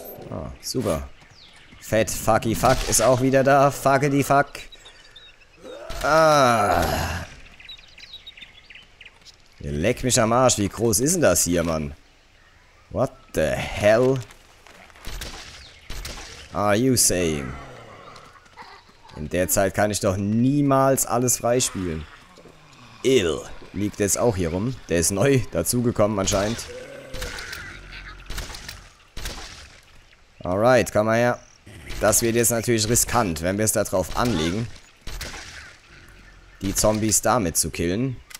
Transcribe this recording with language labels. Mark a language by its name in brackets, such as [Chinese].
[German] Ah, super. Fett, fucky, fuck ist auch wieder da. Fuckety, fuck. Ah. Leck mich am Arsch, wie groß ist denn das hier, Mann? [English] What the hell are you saying? [German] In der Zeit kann ich doch niemals alles freispielen. Ill liegt jetzt auch hier rum. Der ist neu dazugekommen anscheinend. Alright, komm mal her. Das wird jetzt natürlich riskant, wenn wir es da drauf anlegen, die Zombies damit zu killen.